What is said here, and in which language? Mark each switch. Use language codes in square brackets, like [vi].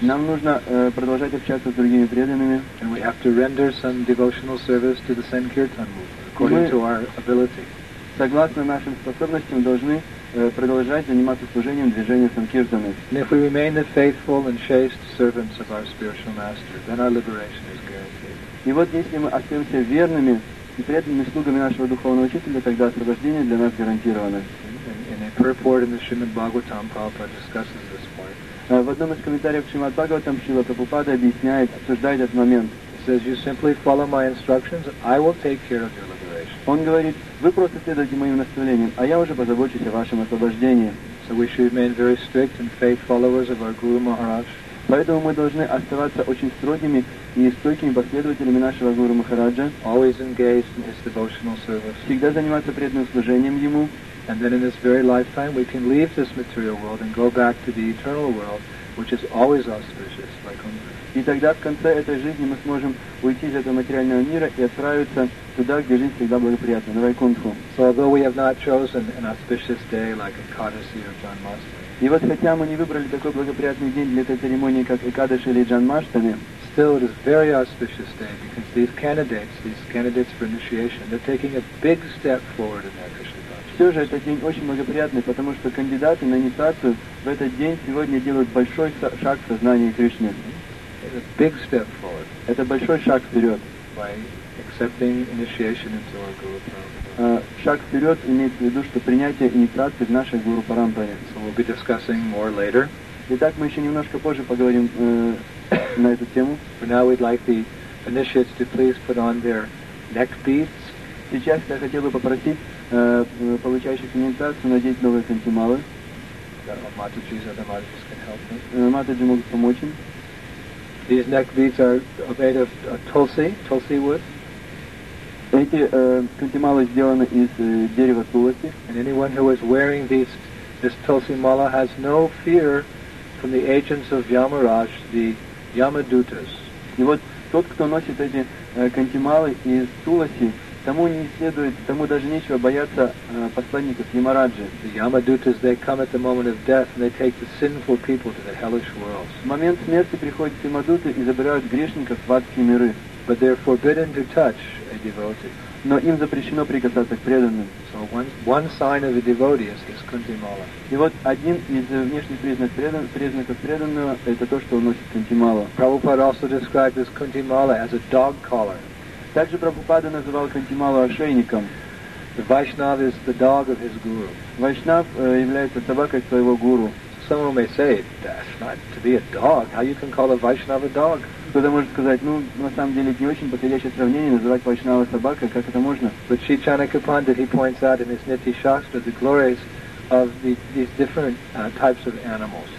[ru] Нам нужно продолжать общаться с другими преданными. [en] And we have to render some devotional service to the Sankirtan movement according to our ability. [ru] Согласно нашим способностям, должны продолжать заниматься служением движения Санкиртаны. [en] And if we remain the faithful and chaste servants of our spiritual master, then our liberation is guaranteed. [ru] И вот если мы остаемся верными и преданными слугами нашего духовного учителя, тогда освобождение для нас гарантировано. [en] In a purport in the Srimad Bhagavatam, Prabhupada discusses this point. [ru] В одном из комментариев Шримад Бхагаватам Шрила Прабхупада объясняет, обсуждает этот момент. [en] He says, you simply follow my instructions, I will take care of your liberation. [ru] Он говорит, вы просто следуйте моим наставлениям, а я уже позабочусь о вашем освобождении. [en] So we should remain very strict and faithful followers of our Guru Maharaj. [ru] Поэтому мы должны оставаться очень строгими и стойкими последователями нашего Гуру Махараджа. [en] Always engaged in his devotional service. [ru] Всегда заниматься преданным служением ему. [en] And then in this very lifetime we can leave this material world and go back to the eternal world, which is always auspicious, like on earth. [ru] И тогда в конце этой жизни мы сможем уйти из этого материального мира и отправиться туда, где жизнь всегда благоприятна, на Вайкунтху. [en] So although we have not chosen an auspicious day like Ekadasi or Janmashtami, [ru] и вот хотя мы не выбрали такой благоприятный день для этой церемонии, как Экадаши или Джанмаштами, [en] still it is a very auspicious day because these candidates for initiation, they're taking a big step forward in their Krishna consciousness. [ru] Все же этот день очень благоприятный, потому что кандидаты на инициацию в этот день сегодня делают большой шаг в сознании Кришны. [en] It's a big step forward. [ru] Это большой шаг вперед. [en] By accepting initiation into our Guru Prabhupada. [ru] Шаг вперед имеет в виду, что принятие инициации в нашей Гуру Парампаре. [en] So we'll be discussing more later. [ru] Итак, мы еще немножко позже поговорим на эту тему. [en] For now we'd like the initiates to please put on their neck beads. [ru] Сейчас я хотел бы попросить получающих инициацию надеть новые кантималы. [en] Матаджис, other Матаджис can help me. [ru] Матаджи могут помочь им. [en] These neck beads are made of tulsi wood. [ru] Эти кантималы сделаны из дерева тулоси. [en] And anyone who is wearing this tulsi mala has no fear from the agents of Yamaraj, the Yamadutas. [ru] И вот тот, кто носит эти кантималы из тулоси, тому даже нечего бояться посланников Ямараджи. [en] The Yamadutas, they come at the moment of death and they take the sinful people to the hellish worlds. [ru] В момент смерти приходят Ямадуты и забирают грешников в адские миры. [en] But they're forbidden to touch a devotee. [ru] но им запрещено прикасаться к преданным. [en] So one sign of a devotee is his kunti mala. [ru] И вот один из внешних признаков преданного – это то, что он носит кунти мала. [en] Prabhupada also described this kunti mala as a dog collar. [ru] Также Прабхупада называл кунти мала ошейником. [en] The Vaishnava is the dog of his guru. [ru] Вайшнав является собакой своего гуру. [en] Someone may say, that's not to be a dog. How you can call a Vaishnava a dog? [ru] Кто-то может сказать, ну, на самом деле, не очень подходящее сравнение называть Вайшнава собакой, как это можно? [en] But Sri Chanakya Pandit, he points out in his Niti Shastra the glories of these different types of animals.